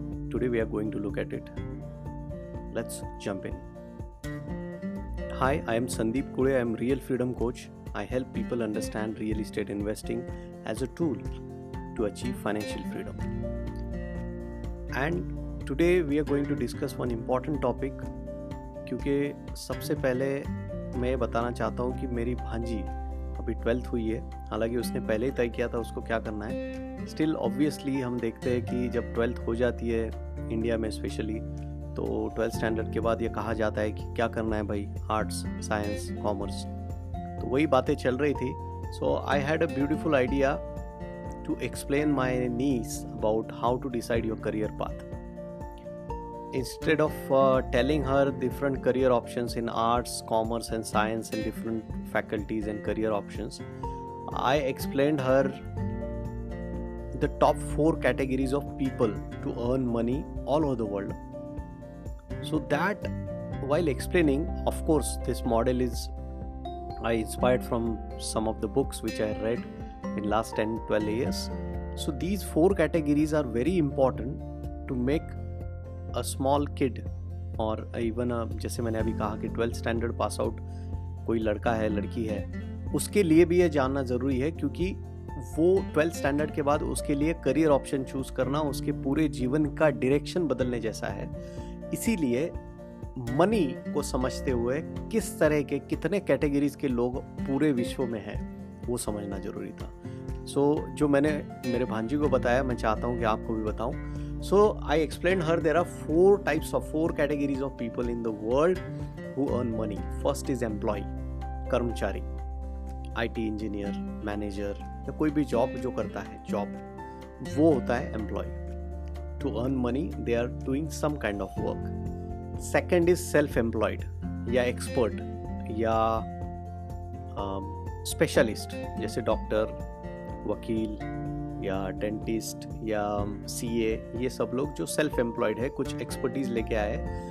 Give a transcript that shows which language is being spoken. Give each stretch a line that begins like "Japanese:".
English: Today we are going to look at it. Let's jump in. Hi, I am Sandeep Kule. I am Real Freedom Coach. I help people understand real estate investing as a tool to achieve financial freedom. And today we are going to discuss one important topic.
Hindi: क्योंकि सबसे पहले मैं बताना चाहता हूँ कि मेरी भांजी अभी 12th हुई है, हालांकि उसने पहले ही तय किया था उसको क्या करना है. स्टिल ऑब्वियसली हम देखते हैं कि जब 12th हो जाती है इंडिया में स्पेशली, तो 12th स्टैंडर्ड के बाद ये कहा जाता है कि क्या करना है भाई, आर्ट्स, साइंस, कॉमर्स. तो वही बातें चल रही थी.
English: So I had a beautiful idea to explain my niece about how to decide your career path. Instead of telling her different career options in arts, commerce and science and different faculties and career options, I explained her the top four categories of people to earn money all over the world. So that while explaining, of course, this model is I inspired from some of the books which I read in last 10-12 years. So these four categories are very important to make a small kid or even a,
Hindi: जैसे मैंने अभी कहा कि 12th standard pass out कोई लड़का है लड़की है, उसके लिए भी ये जानना ज़रूरी है, क्योंकि वो 12th स्टैंडर्ड के बाद उसके लिए करियर ऑप्शन चूज करना उसके पूरे जीवन का डायरेक्शन बदलने जैसा है. इसीलिए मनी को समझते हुए किस तरह के कितने कैटेगरीज के लोग पूरे विश्व में हैं वो समझना ज़रूरी था. सो जो मैंने मेरे भांजी को बताया, मैं चाहता हूँ कि आपको भी बताऊँ.
English: So I explained her there are four categories of people in the world who earn money. First is employee, karmchari, IT engineer, manager,
Hindi: ya koi bhi job jo karta hai,
English: job,
Hindi: wo hota hai
English: employee. To earn money, they are doing some kind of work. Second is self-employed,
Hindi: ya expert, ya specialist, jaise doctor, wakil, या dentist या CA, ये सब लोग जो self employed है, कुछ expertise लेके आए.